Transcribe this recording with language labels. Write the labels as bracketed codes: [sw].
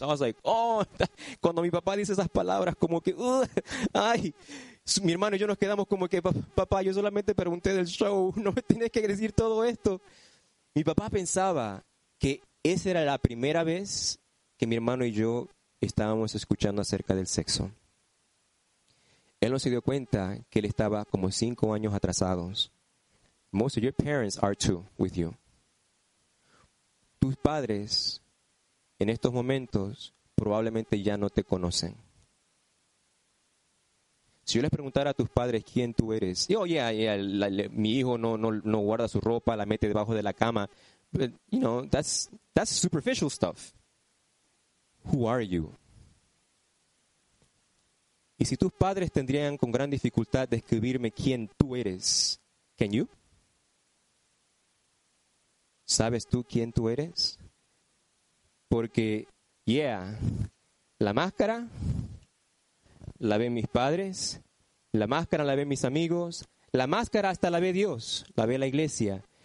[en] I was like, oh, [es] cuando mi papá dice esas palabras, como que, ay, mi hermano y yo nos quedamos como que, papá, yo solamente pregunté del show, no me tienes que decir todo esto. Mi papá pensaba que esa era la primera vez que mi hermano y yo estábamos escuchando acerca del sexo. Él no se dio cuenta que él estaba como 5 años atrasados. [en] Most of your parents are too with you. [es] Tus padres en estos momentos probablemente ya no te conocen. Si yo les preguntara a tus padres quién tú eres, mi hijo no guarda su ropa, la mete debajo de la cama. [en] But, you know, that's superficial stuff. Who are you? [es] Y si tus padres tendrían con gran dificultad de escribirme quién tú eres, [en] can you? [es] ¿Sabes tú quién tú eres? Porque, yeah, la máscara la ven mis padres, la máscara la ven mis amigos, la máscara hasta la ve Dios, la ve la iglesia.